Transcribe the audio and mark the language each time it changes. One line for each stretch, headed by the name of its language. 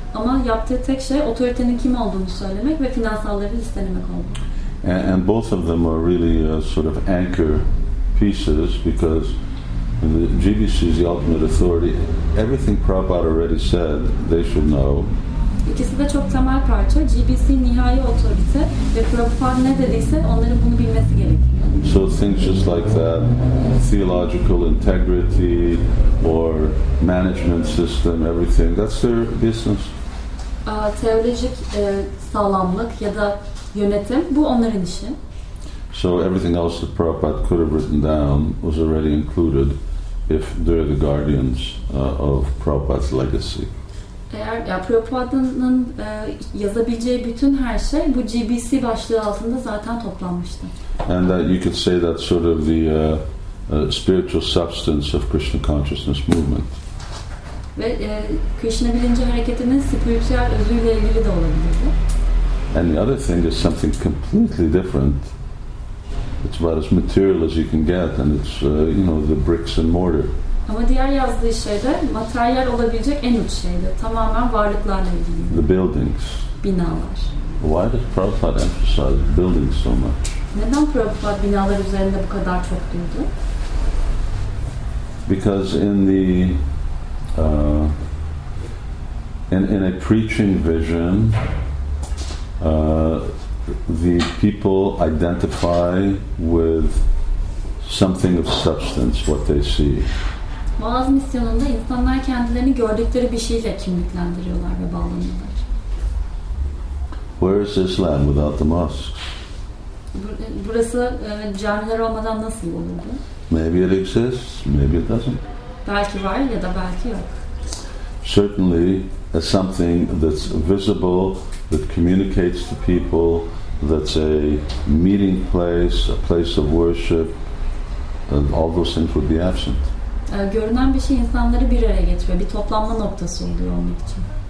Turkish: Ama yaptığı tek şey otoritenin kim olduğunu söylemek ve finansalları listelemek oldu.
English: And both of them are really sort of anchor pieces because the GBC is the ultimate authority. Everything Prabhupada already said, they should know.
Turkish: İkisi de çok temel parça. GBC nihai otorite ve Prabhupada ne dediyse onların bunu bilmesi gerekiyor.
English: So things just like that, theological integrity or management system, everything, that's their business.
Turkish: Teolojik sağlamlık ya da yönetim, bu onların işi.
English: So everything else that Prabhupada could have written down was already included if they're the guardians of Prabhupada's legacy.
Turkish: Eğer ya Prabhupada'nın yazabileceği bütün her şey bu GBC başlığı altında zaten toplanmıştı.
English: And that you could say that sort of the spiritual substance of Krishna consciousness movement.
Turkish: Ve Krishna bilinci hareketinin spiritüel özüyle ilgili de olabilirdi.
English: And the other thing is something completely different. It's about as material as you can get, and it's you know, the bricks and mortar.
Turkish: Ama diğer yazdığı şey de materyal olabilecek en uç şeydi. Tamamen varlıklarla ilgili.
English: The buildings.
Turkish: Binalar.
English: Why does Prabhupada emphasize buildings so much?
Turkish: Neden Prabhupada binalar üzerinde bu kadar çok durdu?
English: Because in the in a preaching vision, the people identify with something of substance what they see.
Turkish: Vaaz misyonunda insanlar kendilerini gördükleri bir şeyle kimliklendiriyorlar ve bağlanıyorlar.
English: Where is Islam without the mosques?
Turkish: Burası camiler olmadan nasıl olurdu?
English: Maybe it exists, maybe it doesn't.
Turkish: Belki var ya da belki yok.
English: Certainly, as something that's visible, that communicates to people, that's a meeting place, a place of worship, and all those things would be absent.
Turkish: Görünen bir şey insanları bir araya getiriyor, bir toplanma noktası oluyor onun için.